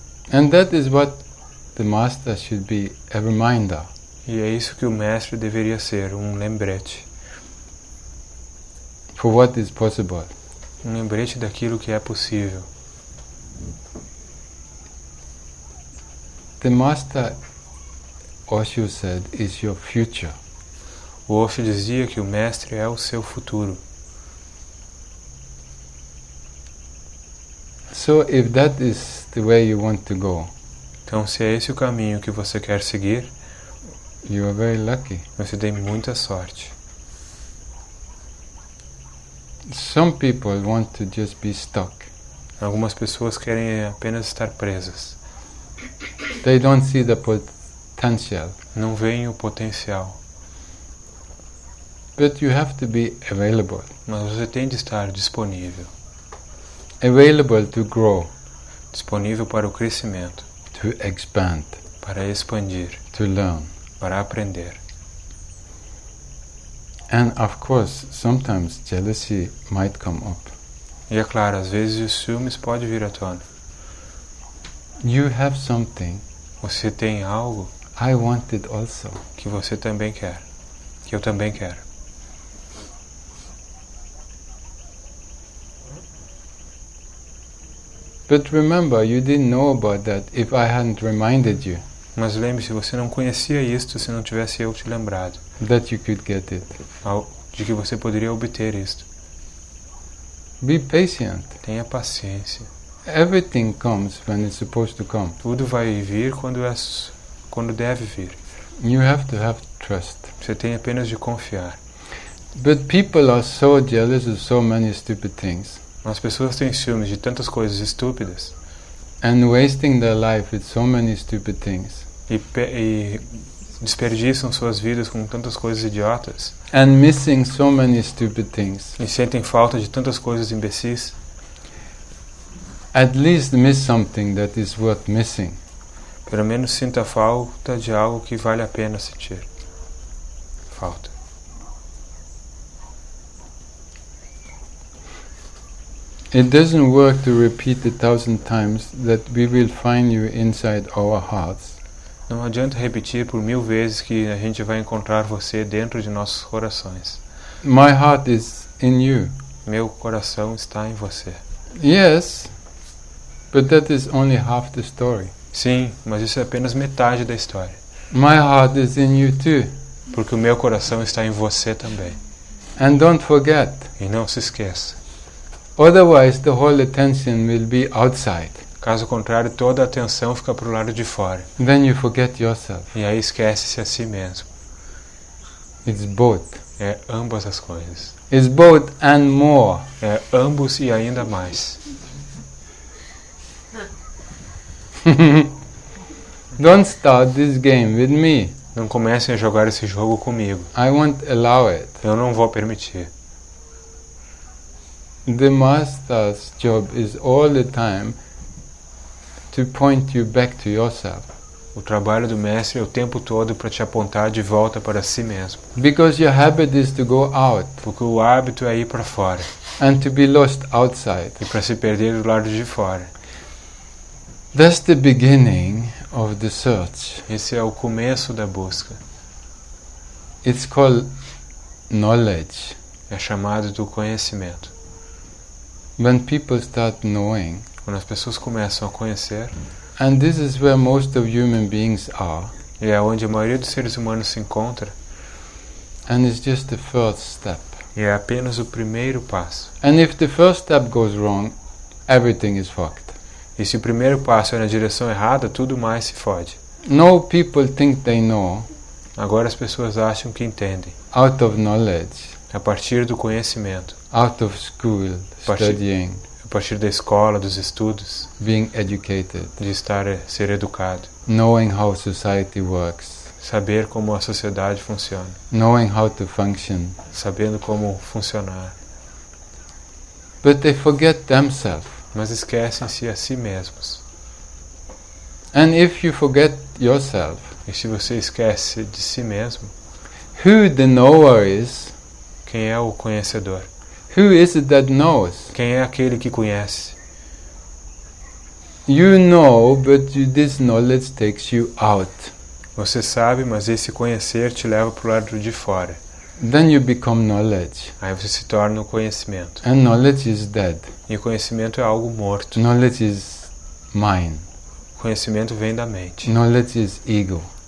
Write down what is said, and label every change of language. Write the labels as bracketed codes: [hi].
[en] And that is what the master should be, a reminder. [pt] E é isso que o mestre deveria ser, um lembrete. [en] For what is possible. [pt] Um lembrete daquilo que é possível. [en] The master, Osho said, is your future. [pt] O Osho dizia que o mestre é o seu futuro. [en] So if that is the way you want to go. [pt] Então se é esse o caminho que você quer seguir, [en] you are very lucky. [pt] Você tem muita sorte. [en] Some people want to just be stuck. [pt] Algumas pessoas querem apenas estar presas. [en] They don't see the potential. [pt] Não veem o potencial. [en] But you have to be available. [pt] Mas você tem de estar disponível. [en] Available to grow. [pt] Disponível para o crescimento. [en] To expand. [pt] Para expandir. [en] To learn. [pt] Para aprender. [en] And of course, sometimes jealousy might come up. [pt] E é claro, às vezes os ciúmes podem vir à tona. [en] You have something. [pt] Você tem algo. [en] I want it also. [pt] Que você também quer. Que eu também quero. [en] But remember, you didn't know about that if I hadn't reminded you. [pt] Mas lembre-se, você não conhecia isto se não tivesse eu te lembrado. [en] That you could get it. [pt] De que você poderia obter isto. [en] Be patient. [pt] Tenha paciência. [en] Everything comes when it's supposed to come. [pt] Tudo vai vir quando deve vir. [en] You have to have trust. [pt] Você tem apenas de confiar. [en] But people are so jealous of so many stupid things. [pt] As pessoas têm ciúmes de tantas coisas estúpidas. [en] And wasting their life with so many stupid things. [pt] E desperdiçam suas vidas com tantas coisas idiotas. [en] And missing so many stupid things. [pt] E sentem falta de tantas coisas imbecis. [en] At least miss something that is worth missing. [pt] Pelo menos sinta falta de algo que vale a pena sentir. Falta. [en] It doesn't work to repeat 1,000 times that we will find you inside our hearts. [pt] Não adianta repetir por mil vezes que a gente vai encontrar você dentro de nossos corações. [en] My heart is in you. [pt] Meu coração está em você. [en] Yes, but that is only half the story. [pt] Sim, mas isso é apenas metade da história. [en] My heart is in you too. [pt] Porque o meu coração está em você também. [en] And don't forget. [pt] E não se esqueça. [en] Otherwise, the whole attention will be outside. [pt] Caso contrário, toda a atenção fica para o lado de fora. [en] Then you forget yourself. [pt] E aí esquece-se a si mesmo. [en] It's both. [pt] É ambas as coisas. [en] It's both and more. [pt] É ambos e ainda mais. [en] Don't start this game with me. [pt] Não comecem a jogar esse jogo comigo. [en] I won't allow it. [pt] Eu não vou permitir. [en] The master's job is all the time to point you back to yourself. [pt] O trabalho do mestre é o tempo todo para te apontar de volta para si mesmo. [en] Because your habit is to go out. [pt] Porque o hábito é ir para fora. [en] And to be lost outside. [pt] E para se perder do lado de fora. [en] That's the beginning of the search. [pt] Esse é o começo da busca. [en] It's called knowledge. [pt] É chamado do conhecimento. [en] When people start knowing, [pt] quando as pessoas começam a conhecer, [en] and this is where most of human beings are, [pt] e é onde a maioria dos seres humanos se encontra, [en] and it's just the first step. [pt] E é apenas o primeiro passo. [en] And if the first step goes wrong, everything is fucked. [pt] E se o primeiro passo é na direção errada, tudo mais se fode. [en] No people think they know. [pt] Agora as pessoas acham que entendem. [en] Out of knowledge. [pt] A partir do conhecimento. [en] Out of school, studying. [pt] A partir da escola, dos estudos. [en] Being educated. [pt] De estar, ser educado. [en] Knowing how society works. [pt] Saber como a sociedade funciona. [en] Knowing how to function. [pt] Sabendo como funcionar. [en] But they forget themselves. [pt] Mas esquecem-se a si mesmos. [en] And if you forget yourself, [pt] e se você esquece de si mesmo, [en] who the knower is? [pt] Quem é o conhecedor? [en] Who is it that knows? [pt] Quem é aquele que conhece? [en] You know, but this knowledge takes you out. [pt] Você sabe, mas esse conhecer te leva para o lado de fora. [en] Then you become knowledge. [pt] Aí você se torna o conhecimento. [en] And knowledge is dead. [pt] E o conhecimento é algo morto. [en] Knowledge is mind. [pt] O conhecimento vem da mente. [en] Knowledge is ego.